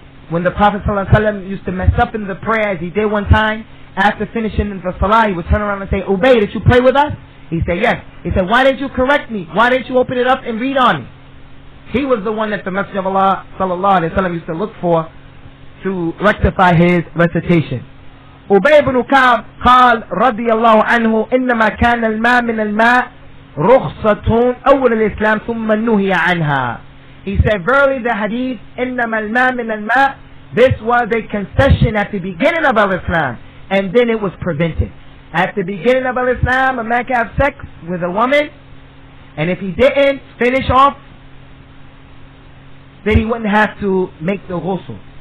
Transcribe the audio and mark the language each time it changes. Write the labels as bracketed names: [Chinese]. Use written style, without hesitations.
[English] When the Prophet ﷺ used to mess up in the prayer, as he did one time, after finishing the salah, he would turn around and say, Ubay, did you pray with us? He said, yes. He said, why didn't you correct me? Why didn't you open it up and read on me? He was the one that the Messenger of Allah ﷺ used to look for to rectify his recitation. [Arabic] Ubay ibn Ka'b قال رضي الله عنه إنما كان الماء من الماء رخصة أول الإسلام ثم نهي عنها. [English] He said, verily the hadith [Arabic] إنما الماء من الماء, [English] this was a concession at the beginning of Islam, and then it was prevented. At the beginning of Islam, a man can have sex with a woman, and if he didn't finish off, then he wouldn't have to make the ghusl.